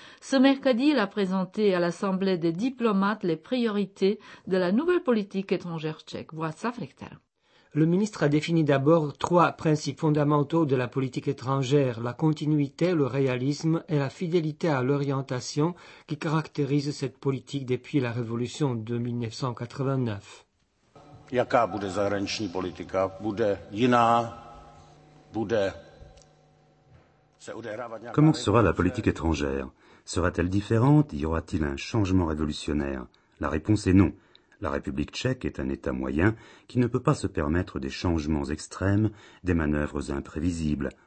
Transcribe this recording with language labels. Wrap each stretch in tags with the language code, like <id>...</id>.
<fr>Ce mercredi, il a présenté à l'Assemblée des diplomates les priorités de la nouvelle politique étrangère tchèque. Václav Richter. Le ministre a défini d'abord trois principes fondamentaux de la politique étrangère, la continuité, le réalisme et la fidélité à l'orientation qui caractérisent cette politique depuis la révolution de 1989.</fr> <cs>Jaká bude zahraniční politika? Bude jiná? Bude se odehrávat nějaká...</cs> <fr>Comment sera la politique étrangère? Sera-t-elle différente? Y aura-t-il un changement révolutionnaire? La réponse est non. La République tchèque est un État moyen qui ne peut pas se permettre des changements extrêmes, des manœuvres imprévisibles.</fr>